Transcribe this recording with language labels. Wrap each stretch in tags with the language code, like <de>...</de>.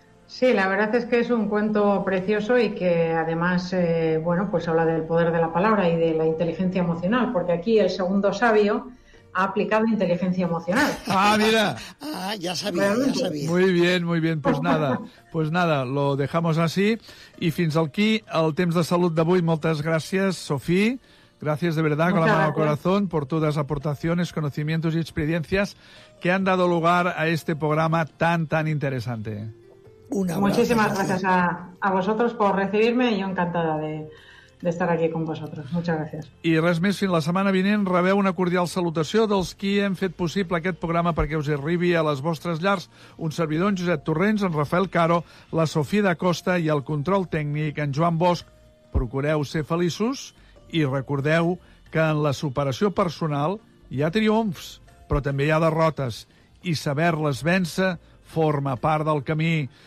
<es>Sí, la verdad es que es un cuento precioso y que además, bueno, pues habla del poder de la palabra y de la inteligencia emocional, porque aquí el segundo sabio ha aplicado inteligencia emocional. ¡Ah, mira! ¡Ah, ya sabía, ya sabía! Muy bien, pues nada, lo dejamos así.</es> <ca>Y fins aquí el temps de salut d'avui. Moltes gràcies, Sofí.</ca> <es>Gracias de verdad, con la mano al corazón, por todas las aportaciones, conocimientos y experiencias que han dado lugar a este programa tan, tan interesante. Muchísimas gracias a vosotros por recibirme y yo encantada de estar aquí con vosotros. Muchas gracias.</es> <ca>I res més, fins la setmana vinent rebeu una cordial salutació dels qui hem fet possible aquest programa perquè us arribi a les vostres llars. Un servidor, en Josep Torrents, en Rafael Caro, la Sofia da Costa i el control tècnic, en Joan Bosch. Procureu ser feliços i recordeu que en la superació personal hi ha triomfs, però també hi ha derrotes i saber-les vèncer forma part del camí.</ca>